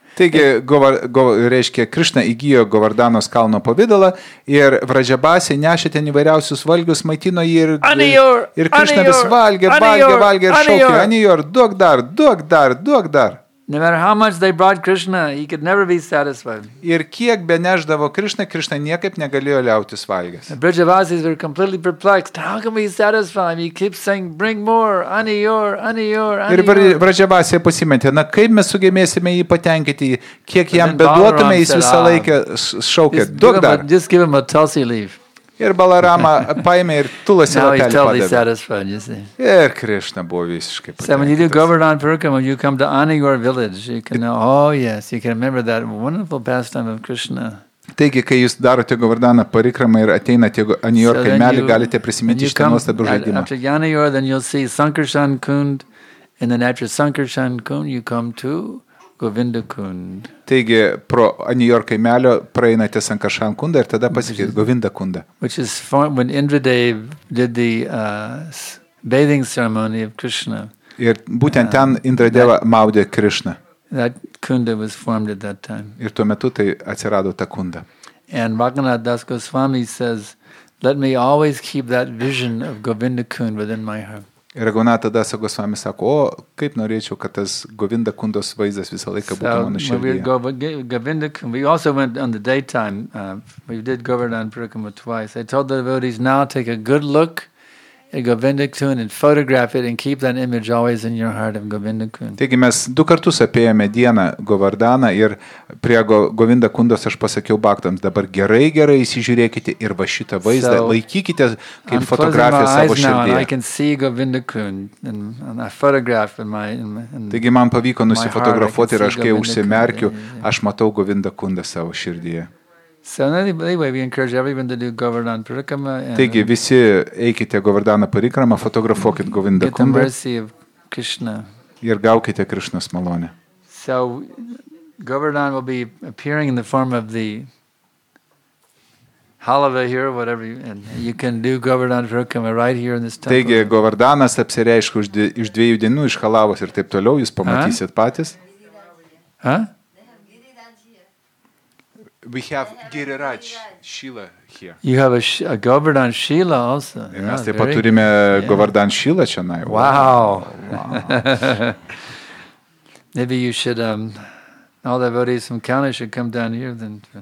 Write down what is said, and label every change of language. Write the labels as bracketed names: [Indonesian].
[Lithuanian] Taigi, reiškia, Krishna įgyjo Govardhanos kalno pavidalą ir Vrajabasi nešė ten įvairiausius valgius, maitino jį ir Krishna vis valgė ir šaukė, Aniyor, duok dar. [English] No matter how much they brought Krishna, he could never be satisfied. [Lithuanian] Ir kiek benešdavo Krishna niekaip negalėjo liautis valgęs. [English] The Vrajavasis were completely perplexed. How can we satisfy him? He keeps saying, bring more, Aniyor. [Lithuanian] Ir Vrajavasi pasimentė, na kaip mes sugebėsime jį patenkinti, kiek jam beduotume, jis visą laiką šaukė, duok dar. [English] Just give him a tulsi leaf. [Lithuanian] Ir Balarama paėmė ir tulasi lapelį padavė. Ir Krishna buvo visiškai patenkintas. [English] So when you do Govardhan Parikrama, you come to Aniyor village, you can know, oh yes, you can remember that wonderful pastime of Krishna. [Lithuanian] Taigi, kai jūs darote Govardhana Parikrama ir ateinate Aniyor kaimelį, galite prisiminti šitą nuostabų žaidimą. [English] After Aniyor, then you'll see Sankarshan Kund, and then after Sankarshan Kund, you come to Govinda Kund. [Lithuanian] Taigi, pro Aniyor kaimelio praeinate Sankarshan Kundą ir tada pasikėt Govinda Kundą. [English] Which is when Indradeva did the bathing ceremony of Krishna. [Lithuanian] Ir būtent ten Indradeva maudė Krishna. [English] That Kunda was formed at that time. [Lithuanian] Ir tuo metu tai atsirado ta Kunda. [English] And Raghunath Das Goswami says, let me always keep that vision of Govinda Kund within my heart. [Lithuanian] Ir Raghunatha Dasa Goswami sako, o kaip norėčiau, kad tas Govinda Kundos vaizdas visą laiką būtų mano širdyje. [English] So, Govinda Kund, we also went on the daytime, we did Govardhan Parikrama twice. I told the devotees, now take a good look Govindakun and photograph it and keep that image always in your heart of Govindakun. [Lithuanian] Taigi mes du kartus apėjome dieną Govardaną ir prie Govindakundos aš pasakiau baktams, dabar gerai, gerai įsižiūrėkite ir va šitą vaizdą, laikykite kaip fotografiją savo širdyje. [English] I can see Govindakun and I photograph in my [Lithuanian] Taigi man pavyko nusifotografuoti ir aš kai užsimerkiu, aš matau Govindakundą savo širdyje. [English] So anyway, we encourage everyone to do Govardhana Parikrama. [Lithuanian] Taigi visi eikite Govardhana Parikrama, fotografuokit Govinda Kumbha. [English] Get the mercy of Krishna. [Lithuanian] Ir gaukite Krishnos malonę. [English] So Govardhana will be appearing in the form of the halava here, whatever, and you can do Govardhana Parikrama right here in this temple. [Lithuanian] Taigi Govardhanas apsireiškia iš dviejų dienų, iš halavos ir taip toliau, jūs pamatysit patys. [English] We have Giriraj Shila here. You have a Govardhan Shila also. [Lithuanian] Ir mes taip pat turime Govardhan Shila čionai. [English] Wow. Maybe you should, all the devotees from Kalna should come down here then.